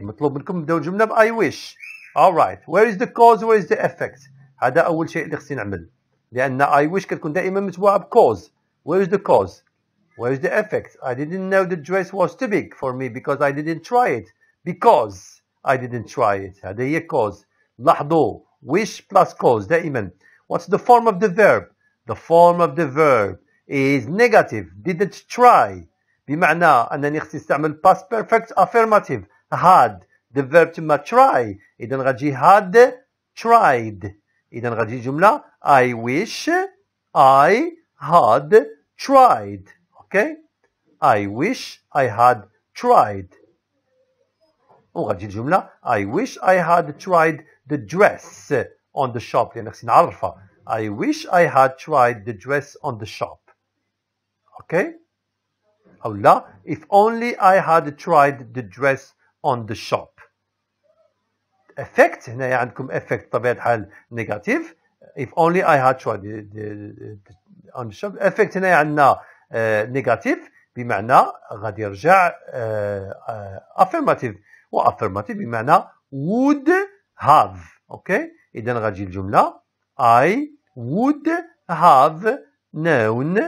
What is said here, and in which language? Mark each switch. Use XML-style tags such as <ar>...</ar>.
<ar>مطلوب منكم دو جملة I wish.</ar> <en>All right. Where is the cause? Where is the effect?</en> <ar>هذا أول شيء اللي خصني نعمل. لأن</ar> <en>I wish</en> <ar>كتكون دائما متبوعة بcause.</ar> <en>Where is the cause? Where is the effect? I didn't know the dress was too big for me because I didn't try it. Because I didn't try it.</en> <ar>هذا هي</ar> <en>cause.</en> <ar>لاحظوا.</ar> <en>wish plus cause دائما. What's the form of the verb? The form of the verb is negative. Didn't try.</en> <ar>بمعنى أنني استعمل</ar> <en>past perfect affirmative. Had. The verb to try.</en> <ar>إذن غادي</ar> <en>had tried.</en> <ar>إذن غادي جملة</ar> <en>I wish I had tried. Okay? I wish I had tried.</en> <ar>وغادي الجملة</ar> <en>I wish I had tried the dress on the shop.</en> <ar>لأنك سنعرفة.</ar> <en>I wish I had tried the dress on the shop. Okay?</en> <ar>أو لا.</ar> <en>If only I had tried the dress on the shop. Effect.</en> <ar>هنا عندكم effect طبيعة حال negative.</ar> <en>If only I had tried the on the shop.</en> <ar>Effect هنا عندنا negative. بمعنى غادي يرجع affirmative. وaffirmative بمعنى</ar> <en>would have. Okay?</en> <ar>إذن غادي الجملة</ar> <en>I would have known.</en>